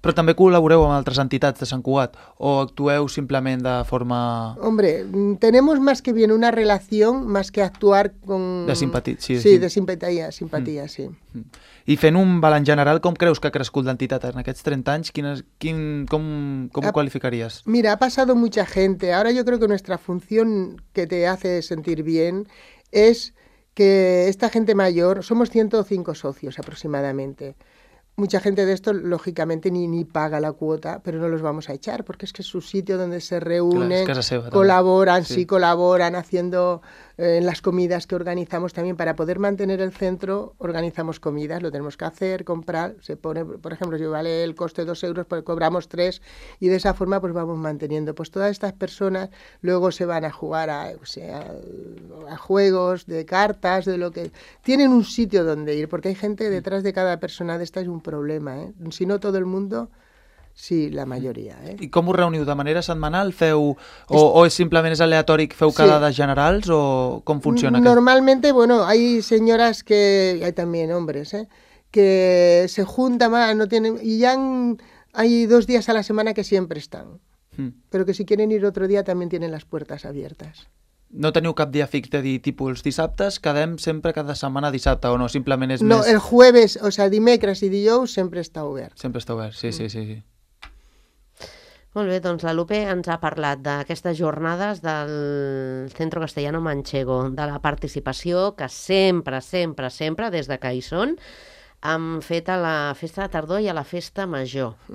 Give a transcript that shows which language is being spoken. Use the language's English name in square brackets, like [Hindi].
[Catalan] Però també col·laboreu amb altres entitats de Sant Cugat o actueu simplement de forma... [Spanish] Hombre, tenemos más que bien una relación, más que actuar con... [Catalan] De simpatia, sí. Sí, de simpatia, sí. I fent un balanç general, com creus que ha crescut l'entitat en aquests 30 anys? Com ho qualificaries? [Spanish] Mira, ha pasado mucha gente. Ahora yo creo que nuestra función que te hace sentir bien es que esta gente mayor, somos 105 socios aproximadamente. Mucha gente de esto, lógicamente, ni paga la cuota, pero no los vamos a echar, porque es que es su sitio donde se reúnen, [Catalan] claro, es casa seva, [Spanish] colaboran, sí. Colaboran haciendo en las comidas que organizamos también. Para poder mantener el centro, organizamos comidas, lo tenemos que hacer, comprar, se pone, por ejemplo, si vale el coste 2 euros, pues cobramos 3, y de esa forma pues vamos manteniendo. Pues todas estas personas luego se van a jugar a juegos de cartas, de lo que... Tienen un sitio donde ir, porque hay gente detrás de cada persona de esta, es un problema, ¿eh? Si no todo el mundo... Sí, [Catalan] la majoria, I com us reuniu? De manera setmanal? Simplement és aleatori que feu quedades generals? O com funciona? [Spanish] Normalmente, bueno, hay señoras que... Hay también hombres, que se juntan más, no tienen... Y ya hay 2 días a la semana que siempre están. Pero que si quieren ir otro día también tienen las puertas abiertas. [Catalan] No teniu cap dia fix de dir, tipus, els dissabtes quedem sempre cada setmana dissabte o no? Simplement és més... No, [Spanish] el jueves, o sea, [Catalan] dimecres i dijous sempre està obert. Sempre està obert, sí, sí, sí. Molt bé, doncs la Lupe ens ha parlat d'aquestes jornades del Centro Castellano Manchego, de la participació que sempre, sempre, sempre, des de que hi són, han fet a la Festa de Tardor i a la Festa Major.